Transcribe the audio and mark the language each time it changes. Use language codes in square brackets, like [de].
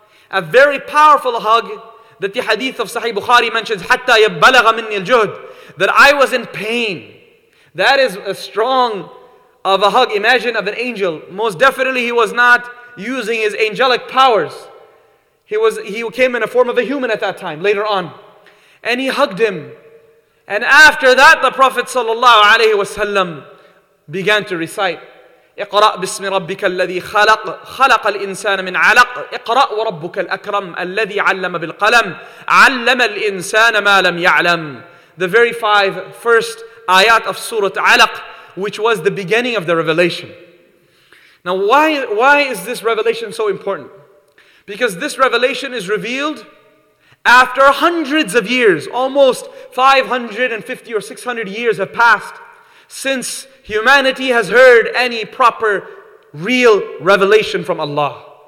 [en] A very powerful hug that the hadith of Sahih Bukhari mentions, [ar] حَتَّى يَبَّلَغَ مِنِّي الْجُهْدِ, [en] that I was in pain. That is a strong of a hug. Imagine of an angel. Most definitely he was not using his angelic powers. He came in a form of a human at that time, later on. And he hugged him. [ar] And after that, the Prophet sallallahu alayhi wasallam began to recite, اقرأ بسم ربك الذي خلق خلق الإنسان من علق اقرأ وربك الأكرم الذي علم بالقلم علم الإنسان ما لم يعلم. [en] The very five first ayat of Surah Alaq, which was the beginning of the revelation. Now why is this revelation so important? Because this revelation is revealed after hundreds of years, almost 550 or 600 years have passed since humanity has heard any proper, real revelation from Allah.